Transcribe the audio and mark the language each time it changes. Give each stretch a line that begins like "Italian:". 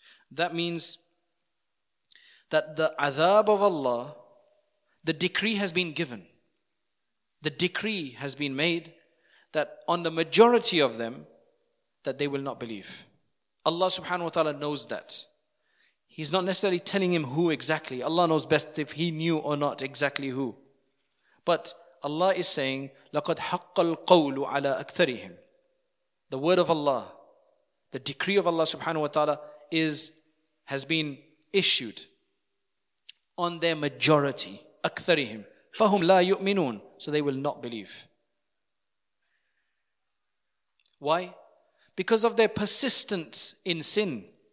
English: That means that the adab of Allah, the decree has been given. The decree has been made that on the majority of them, that they will not believe. Allah subhanahu wa ta'ala knows that. He's not necessarily telling him who exactly. Allah knows best if he knew or not exactly who. But Allah is saying,
Arabic: لَقَدْ حَقَّ الْقَوْلُ عَلَىٰ أَكْثَرِهِمْ.
English: The word of Allah, the decree of Allah subhanahu wa ta'ala has been issued on their majority, أَكْثَرِهِمْ.
Arabic: فَهُمْ لَا يُؤْمِنُونَ.
English: So they will not believe. Why? Because of their persistence in sin.